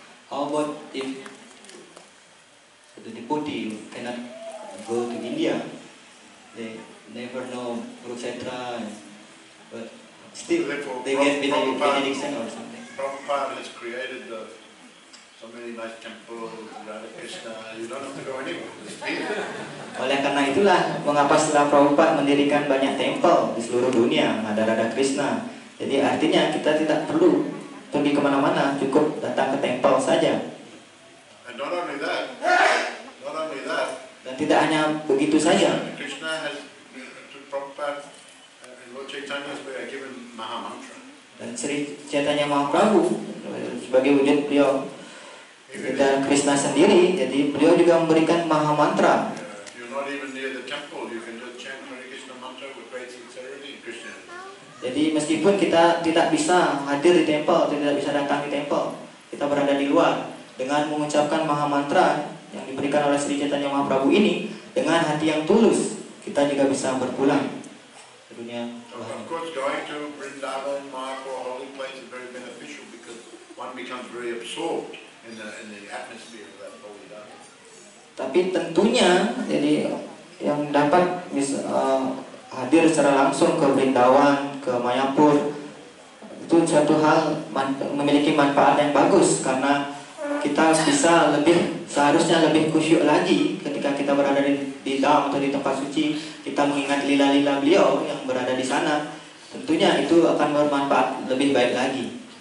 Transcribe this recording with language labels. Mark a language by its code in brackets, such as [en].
[en] How about if the devotee cannot go to India, they never know Kurukshetra, but still they get benediction or something. Prabhupada has created so many nice temples, Radha Krishna, you don't have to go anywhere. [id] Oleh karena itulah, mengapa setelah Prabhupada mendirikan banyak temple di seluruh dunia, ada Radha Krishna, jadi artinya kita tidak perlu pergi kemana-mana, cukup datang ke tempel saja. [en] And not only that. [id] Dan tidak hanya begitu saja. [en] Krishna has Prabhupada and Lord Chaitanya has given Maha Mantra. [id] Dan Sri Chaitanya Mahaprabhu sebagai wujud beliau dan Krishna sendiri, jadi beliau juga memberikan Maha Mantra. [en] If you're not even near the temple, you can just chant Hare Krishna Mantra with great sincerity in Krishna. [id] Jadi meskipun kita tidak bisa hadir di tempel, tidak bisa datang di tempel, kita berada di luar dengan mengucapkan maha mantra yang diberikan oleh Sri Chaitanya Mahaprabhu ini dengan hati yang tulus, kita juga bisa berpulang ke dunia. [en] Of course, going to Vrindavan, Mayapur, holy place is very beneficial because one becomes very absorbed in the atmosphere of that holy place. [id] Tapi tentunya, jadi yang dapat hadir secara langsung ke Vrindavan, ke Mayapur, itu satu hal memiliki manfaat yang bagus, karena kita bisa lebih, seharusnya lebih khusyuk lagi ketika kita berada di dalam atau di tempat suci, kita mengingat lila-lila beliau yang berada di sana, tentunya itu akan bermanfaat lebih baik lagi.